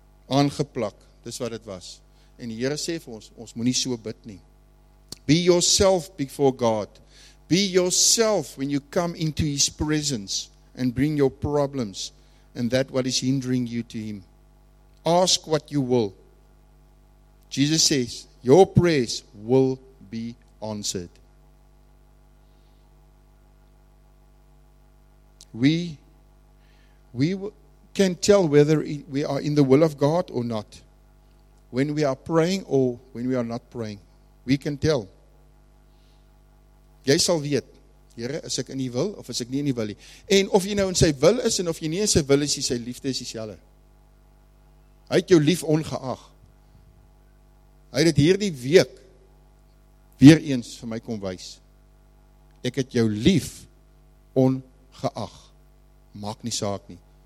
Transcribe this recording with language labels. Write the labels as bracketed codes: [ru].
[af] Aangeplak, dis wat het was. En die Here sê vir ons, ons moet nie so bid nie. [en] Be yourself before God. Be yourself when you come into his presence and bring your problems and that what is hindering you to him. Ask what you will. Jesus says, your prayers will be answered. We can tell whether we are in the will of God or not. When we are praying or when we are not praying, we can tell. [af] Jy sal weet, Here, is ek in die wil of is ek nie in die wil nie. En of jy nou in sy wil is en of jy nie in sy wil is, sy liefde is dieselfde. Hy het jou lief ongeag. Hy het hierdie week weer eens vir my kom wys. Ek het jou lief ongeag. Maak nie saak nie.